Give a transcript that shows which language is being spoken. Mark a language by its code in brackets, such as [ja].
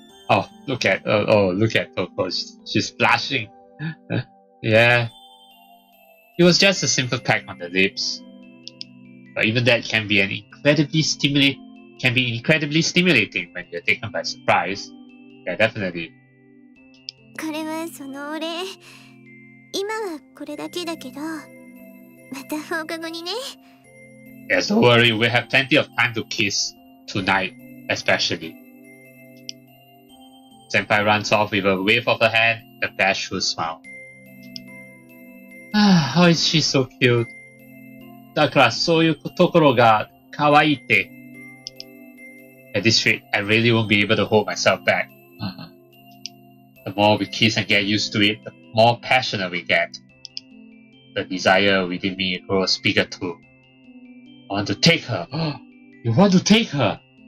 [en] Oh, look at Touko, she's blushing. Yeah, it was just a simple peck on the lips, but even that can be incredibly stimulating when you're taken by surprise. Yeah, definitely. [ja] これはそのお礼。今はこれだけだけど、また放課後にね。 [en] Yes, don't worry. We have plenty of time to kiss tonight, especially. 先輩 runs off with a wave of her hand, a bashful smile. Ah, oh, is she so cute? [ja] だからそういうところが可愛いって。 [en] At this rate, I really won't be able to hold myself back. The more we kiss and get used to it, the more passionate we get. The desire within me grows bigger too. I want to take her. You want to take her?